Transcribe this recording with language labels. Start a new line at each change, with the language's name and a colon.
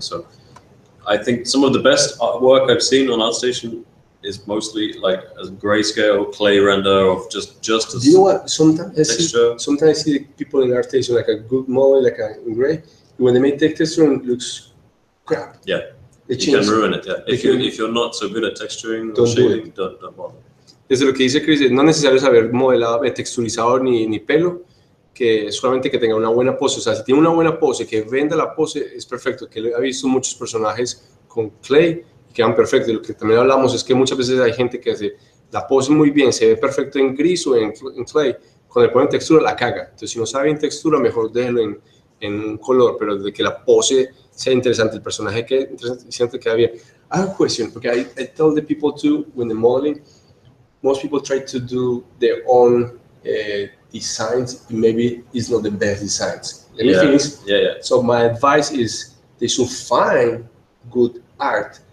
English: So I think some of the best artwork I've seen on ArtStation is mostly like a grayscale clay render of just a texture. You know what? Sometimes I see people in art station like a good model, like a gray. When they make texture, it looks crap. Yeah, it changes. You can ruin it. Yeah, if you're not so good at texturing, don't bother.
Spanish: Es lo que dice Chris. No es necesario saber modelado, texturizador ni pelo, que solamente que tenga una buena pose. O sea, si tiene una buena pose, que venda la pose, es perfecto. Que he visto muchos personajes con clay. Quedan perfectos. Lo que también hablamos es que muchas veces hay gente que hace la pose muy bien, se ve perfecto en gris o en clay, cuando le ponen textura la caga. Entonces, si no sabe en textura, mejor déjelo en un color, pero de que la pose sea interesante, el personaje quede interesante, siempre queda bien.
English: I have a question,
Spanish: porque
English: I tell the people too, when the modeling, most people try to do their own designs, and maybe it's not the best designs. Yeah. So my advice is, they should find good art.